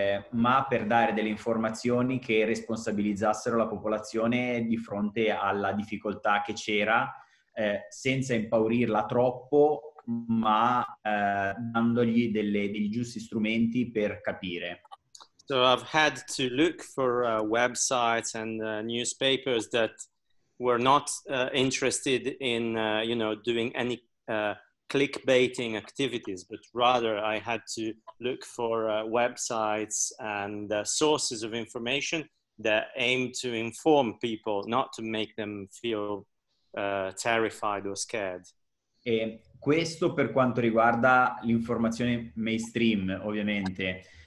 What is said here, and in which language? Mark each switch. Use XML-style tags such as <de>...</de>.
<it>ma per dare delle informazioni che responsabilizzassero la popolazione di fronte alla difficoltà che c'era, senza impaurirla troppo, ma dandogli degli giusti strumenti per capire.</it> <en>So I've had to look for websites and newspapers that were not interested in you know, doing any clickbaiting activities, but rather I had to look for websites and sources of information that aim to inform people, not to make them feel terrified or scared.</en> <it>E questo per quanto riguarda l'informazione mainstream, ovviamente.</it>